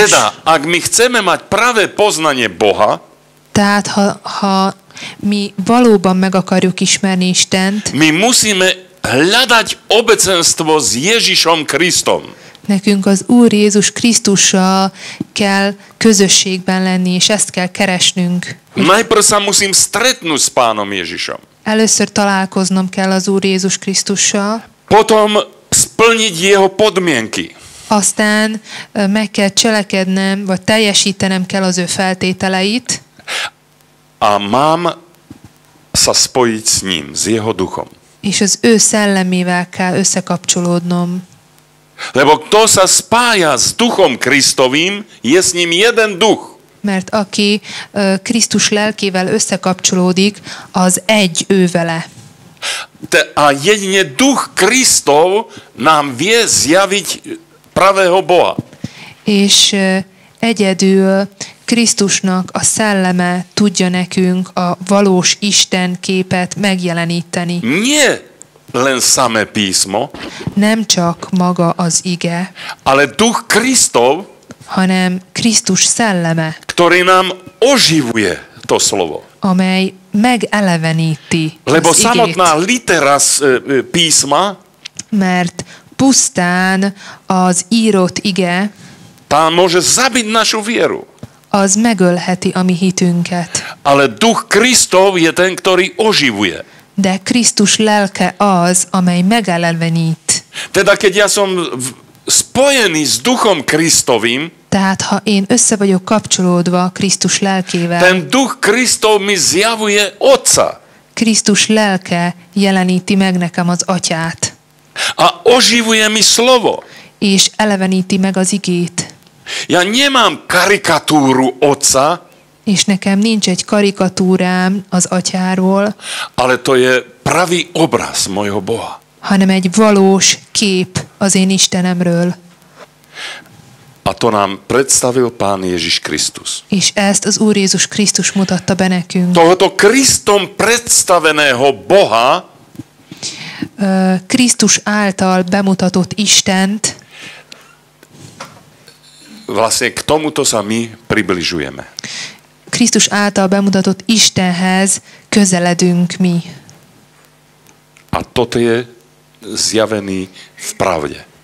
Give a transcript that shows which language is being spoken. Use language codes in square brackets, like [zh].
[sk] Teda, ak my chceme mať pravé poznanie Boha, [hu] tehát ha mi valóban meg akarjuk ismerni Istent, [sk] my musíme hľadať obecenstvo s Ježišom Krisztom. [hu] Nekünk az Úr Jézus Krisztussal kell közösségben lenni, és ezt kell keresnünk. [sk] Najprv sa musím stretnúť s Pánom Ježišom. [hu] Először találkoznom kell az Úr Jézus Krisztussal. [sk] Potom splniť jeho podmienky. [hu] Aztán meg kell cselekednem, vagy teljesítenem kell az ő feltételeit. [sk] A mám sa spojiť s ním, s jeho duchom. [hu] És az ő szellemével kell összekapcsolódnom. [sk] Lebo kto sa spája s duchom Kristovým, je s ním jeden duch. [hu] Mert aki Krisztus lelkével összekapcsolódik, az egy ő vele. [sk] A jedine duch Kristov nám vie zjaviť pravého Boha. [hu] És egyedül Krisztusnak a szelleme tudja nekünk a valós Isten képet megjeleníteni. [sk] Nie len same písmo, [hu] nem csak maga az ige, [sk] ale duch Kristov, [hu] hanem Krisztus szelleme, [sk] ktorý nám oživuje to slovo, [hu] amely megeleveníti az igét. [sk] Lebo samotná litera písma, [hu] mert pusztán az írott ige [sk] tá môže zabiť našu vieru. [hu] az megölheti a mi hitünket. [sk] Ale Duch Kristov je ten, ktorý oživuje. [hu] De Krisztus lelke az, amely megelevenít. [sk] Teda keď ja som spojený s Duchom Kristovým, [hu] tehát ha én össze vagyok kapcsolódva Krisztus lelkével, [sk] ten Duch Kristov mi zjavuje Otca. [hu] Krisztus lelke jeleníti meg nekem az Atyát. [sk] A oživuje mi slovo. [hu] És eleveníti meg az igét. [sk] Ja nemám karikatúru Otca, [hu] és nekem nincs egy karikatúrám az Atyáról, [sk] ale to je pravý obraz mojho Boha. [hu] Hanem egy valós kép az én Istenemről. [sk] A to nám predstavil Pán Ježiš Kristus. [hu] És ezt az Úr Jézus Krisztus mutatta be nekünk. [sk] Tohoto Kristom predstaveného Boha, [hu] Krisztus által bemutatott Istent, [sk] vlastne k tomuto sa my približujeme. [hu] Krisztus által bemutatott Istenhez közeledünk mi. [sk] A toto je zjavený v pravde.